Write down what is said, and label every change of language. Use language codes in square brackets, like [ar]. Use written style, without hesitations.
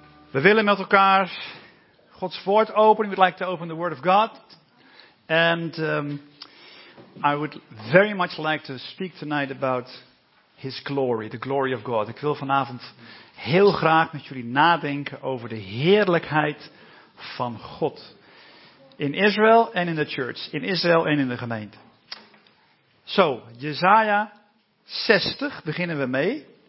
[nl] We willen met elkaar Gods woord openen. [en] We'd like to open the word of God. And I would very much like to speak tonight about his glory, the glory of God. [nl] Ik wil vanavond heel graag met jullie nadenken over de heerlijkheid van God. In Israël en in de church. In Israël en in de gemeente. Zo, Jesaja 60 beginnen we mee.